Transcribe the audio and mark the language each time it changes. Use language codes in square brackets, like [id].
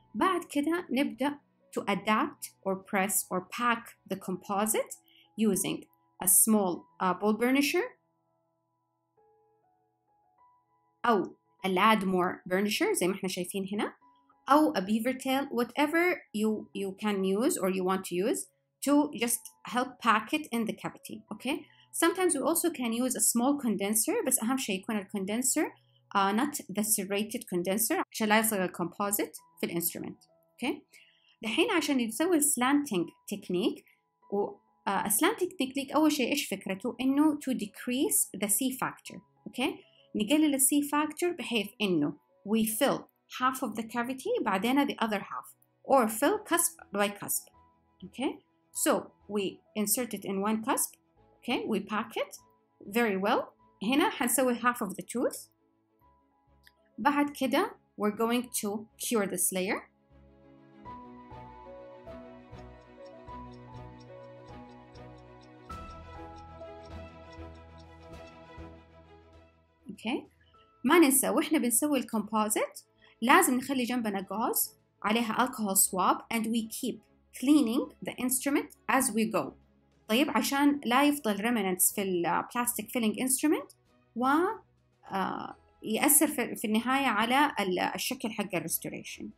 [ar] بعد كده نبدأ [en] to adapt or press or pack the composite using a small ball burnisher أو a Ladmore burnisher [ar] زي ما احنا شايفين هنا [en] أو a beaver tail, whatever you can use or you want to use to just help pack it in the cavity. Okay, sometimes we also can use a small condenser [ar] بس أهم شيء يكون الكوندنسر [en] not the serrated condenser [ar] عشان لا يصير الكومبوزيت في الانسترومنت. اوكي، الحين عشان نسوي السلانتنج تكنيك السلانتنج تكنيك اول شيء ايش فكرته؟ انه [en] to decrease the C factor. [ar] اوكي، نقلل ال [en] C factor بحيث انه we fill half of the cavity بعدين the other half or fill cusp by cusp. [ar] اوكي، [en] so we insert it in one cusp. Okay, we pack it very well. [ar] هنا حنسوي [en] half of the tooth. [ar] بعد كده [en] we're going to cure this layer. Okay. [ar] ما ننسى واحنا بنسوي الكومبوزيت لازم نخلي جنبنا غاز عليها [en] alcohol swab and we keep cleaning the instrument as we go. [ar] طيب عشان لا يفضل remnants في البلاستيك [en] filling instrument [ar] و يأثر في النهاية على الشكل حق الريستوريشن.